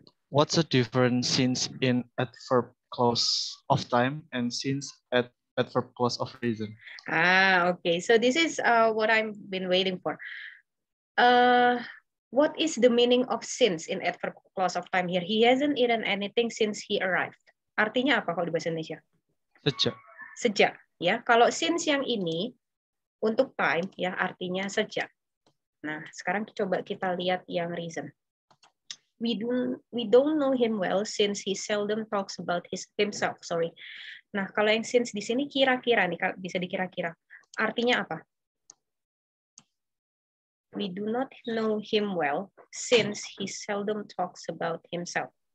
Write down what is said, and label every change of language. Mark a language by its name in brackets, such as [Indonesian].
[English] What's the difference since in adverb clause of time and since at adverb clause of reason? Ah, okay. So this is what I've been waiting for. What is the meaning of since in adverb clause of time here? He hasn't eaten anything since he arrived. [Indonesian] Artinya apa kalau di bahasa Indonesia? Sejak. Ya. Kalau since yang ini untuk time ya artinya sejak. Nah, sekarang coba kita lihat yang reason. [English] We don't know him well since he seldom talks about himself. Sorry. [Indonesian] Nah, kalau yang since di sini kira-kira nih bisa dikira-kira. Artinya apa? [English] We do not know him well since he seldom talks about himself.